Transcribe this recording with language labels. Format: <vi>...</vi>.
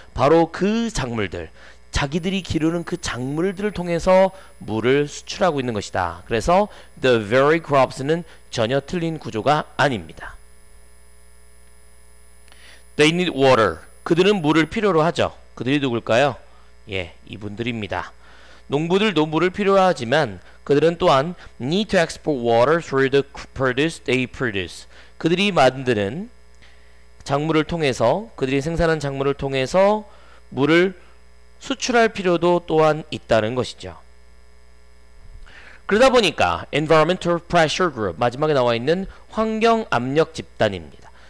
<ko>바로 그 작물들, 자기들이 기르는 그 작물들을 통해서 물을 수출하고 있는 것이다. 그래서</ko> <en>the very crops</en> <ko>는 전혀 틀린 구조가 아닙니다.</ko> <en>They need water.</en> <ko>그들은 물을 필요로 하죠. 그들이 누굴까요? 예, 이분들입니다. 농부들도 물을 필요로 하지만 그들은 또한</ko> <en>need to export water through the produce they produce.</en> <ko>그들이 만드는 작물을 통해서, 그들이 생산한 작물을 통해서 물을 수출할 필요도 또한 있다는 것이죠. 그러다 보니까</ko> <en>environmental pressure group,</en> <ko>마지막에 나와 있는 환경 압력 집단입니다.</ko>